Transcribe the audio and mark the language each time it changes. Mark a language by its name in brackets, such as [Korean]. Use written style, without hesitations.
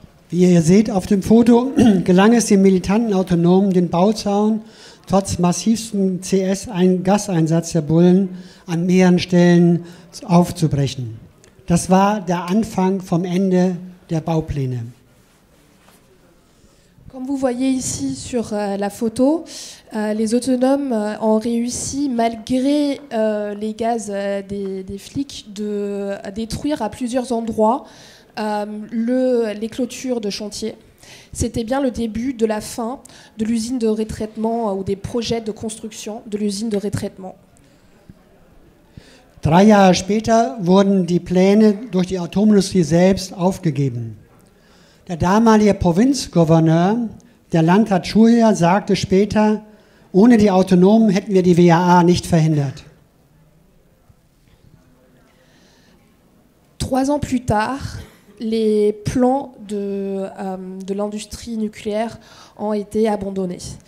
[German] Wie ihr seht auf dem Foto, gelang es den militanten Autonomen, den Bauzaun trotz massivsten CS-Gaseinsatz der Bullen an mehreren Stellen aufzubrechen. Das war der Anfang vom Ende der Baupläne. [French] Comme vous voyez ici sur la photo, les autonomes ont réussi, malgré les gaz des flics, de détruire à plusieurs endroits les clôtures de chantier. C'était bien le début de la fin de l'usine de retraitement ou des projets de construction de l'usine de retraitement. [German] Drei Jahre später wurden die Pläne durch die Atomindustrie selbst aufgegeben. Der damalige Provinzgouverneur, der Landrat Schuja, sagte später, ohne die Autonomen hätten wir die WAA nicht verhindert. [French] Trois ans plus tard, les plans de l'industrie nucléaire ont été abandonnés.